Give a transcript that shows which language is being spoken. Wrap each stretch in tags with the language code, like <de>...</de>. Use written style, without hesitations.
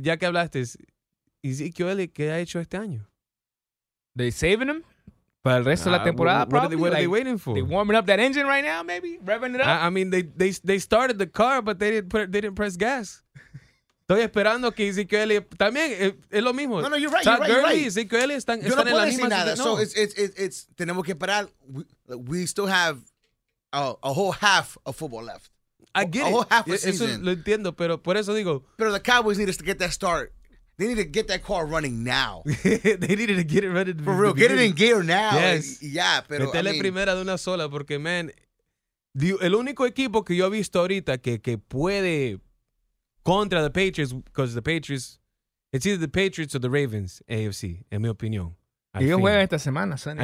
<es>Ya que hablaste, Ezekiel Elliott, ¿qué ha hecho este año?</es> <en>They saving him?</en> <es>Para el resto de la temporada,</es> <en>what are they waiting for? They warming up that engine right now, maybe? Revving it up? I mean, they started the car, but they didn't press gas.</en> <es>Estoy esperando que Ezekiel también es lo mismo.</es> <en>No, you're right.</en> <es>Ezekiel están en la misma situación. No.</es> <en>So it's</en> <es>tenemos que esperar.</es> <en>We still have a whole half of football left. I get it. A whole half of season.</en> <es>Eso lo entiendo, pero por eso digo.</es> <en>Pero the Cowboys need us to get that start. They need to get that car running now. They needed to get it running. For real, get it in gear now. Yes.</en> <es>Yeah, pero metele primera de una sola porque, man, el único equipo que yo he visto ahorita que puede...</es> <en>Contra the Patriots, because the Patriots, it's either the Patriots or the Ravens, AFC,</en> <es>en mi opinión. Y yo juego esta semana, Sonny.</es>